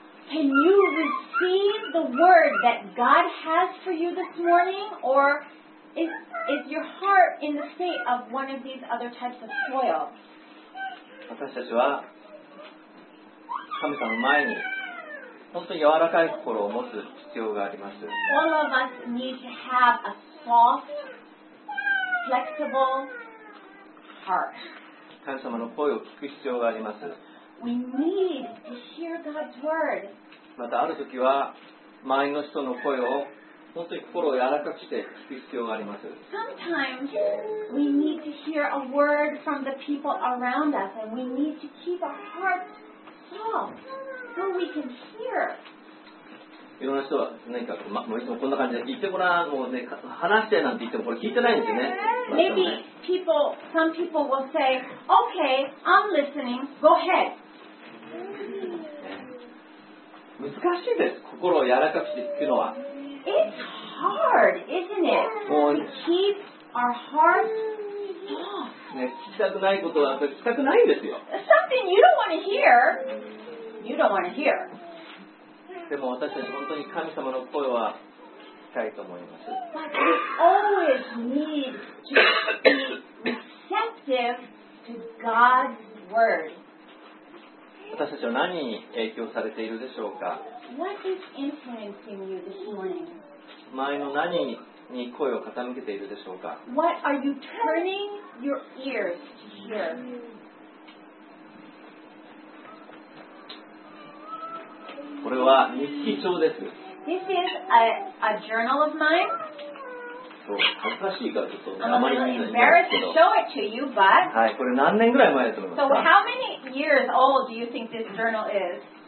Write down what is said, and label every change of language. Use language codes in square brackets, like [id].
[en] Can you receive the word that God has for you this morning, or is your heart in the state of one of these other types of soil? [ja] 私たちは神様の前に本当に柔らかい心を持つ必要があります。 [en] All of us need to have a soft, flexible heart. [ja] 神様の声を聞く必要があります。 [en] We need to hear God's word. [ja] またある時は周りの人の声を本当に心を柔らかくして聞く必要があります。 [en] Sometimes we need to hear a word from the people around us, and we need to keep our hearts soft so we can hear. [ja] いろんな人は何かこう、ま、もういつもこんな感じで言ってごらん、もうね、話してなんて言ってもこれ聞いてないんですよね。 [en] Maybe people, some people will say, okay, I'm listening, go ahead. [ja] 難しいです、心を柔らかくして聞くのは。 [en] It's hard, isn't it? To keep our hearts soft.、 [ja] ね、聞きたくないことは聞きたくないんですよ。 [en] Something you don't want to hear, you don't want to hear. [ja] でも私たち本当に神様の声は聞きたいと思います。 [en] But we always need to be receptive to God's word. [ja] 私たちは何に影響されているでしょうか? [en] What is influencing you this morning? [ja] 前の何に声を傾けているでしょうか? [en] What are you turning your ears to hear? [ja] これは日記帳です。 [en] This is a journal of mine. [ja] そう、恥ずかしいからちょっと名前言えないんですけど。 [en] I'm embarrassed to show it to you, but. [ja] はい、これ何年ぐらい前だと思いますか? [en] So how many years old do you think this journal is?